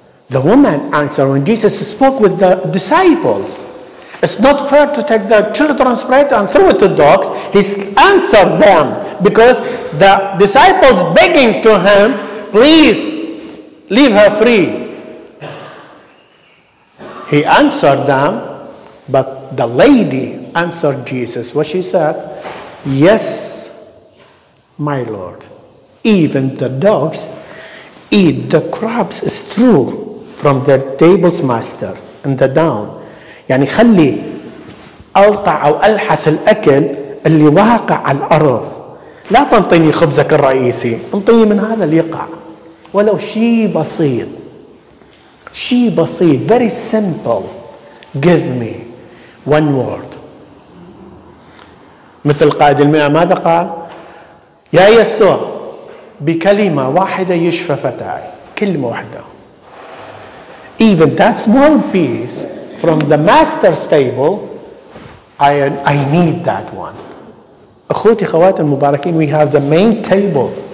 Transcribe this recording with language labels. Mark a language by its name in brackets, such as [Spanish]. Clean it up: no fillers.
[English] the woman answered when jesus spoke with the disciples it's not fair to take the children's bread and throw it to dogs he answered them because the disciples begging to him please leave her free He answered them, but the lady answered Jesus. What she said? Yes, my Lord. Even the dogs eat the crumbs strewn from their table's master in the down. [Arabic] يعني خلي ألقع أو ألحس الأكل اللي واقع على الأرض. لا تنطيني خبزك الرئيسي. انطيني من هذا اللي يقع. ولو شيء بسيط. شيء بسيط [English] very simple give me one word [Arabic] مثل قائد المئة ماذا قال يا يسوع بكلمة واحدة يشفى فتاي كلمة واحدة [English] even that small piece from the master's table I need that one [Arabic] اخوتي خواتي المباركين [English] we have the main table